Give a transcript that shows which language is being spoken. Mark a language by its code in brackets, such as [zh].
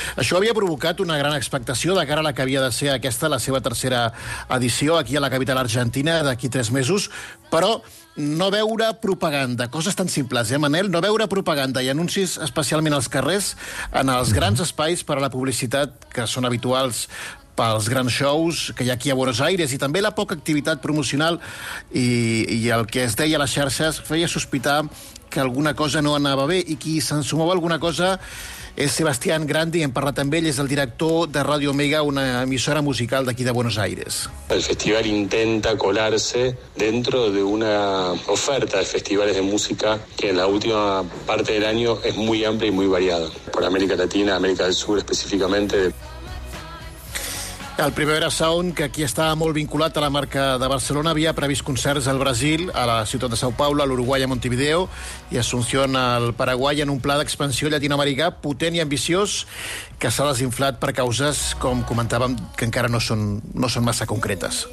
[ca] Això havia provocat una gran expectació de cara a la que havia de ser aquesta, la seva tercera edició aquí a la capital argentina d'aquí 3 mesos, però no veure propaganda, coses tan simples, Manel, no veure propaganda i anuncis especialment als carrers, en els grans espais per a la publicitat que són habituals pels grans shows que hi ha aquí a Buenos Aires, i també la poca activitat promocional i el que es deia a les xarxes feia sospitar que alguna cosa no anava bé, i qui s'ensumava alguna cosa és Sebastián Grandi, hem parlat amb ell, és el director de Radio Omega, una emissora musical d'aquí de Buenos Aires. [es] El festival intenta colarse dentro de una oferta de festivales de música que en la última parte del año es muy amplia y muy variada, por América Latina, América del Sur específicamente. [ca] El Primavera Sound, que aquí està molt vinculat a la marca de Barcelona, havia previst concerts al Brasil, a la ciutat de São Paulo, a l'Uruguai, a Montevideo, i Asunción al Paraguai, en un pla d'expansió llatinoamericà potent i ambiciós que s'ha desinflat per causes, com comentàvem, que encara no són massa concretes.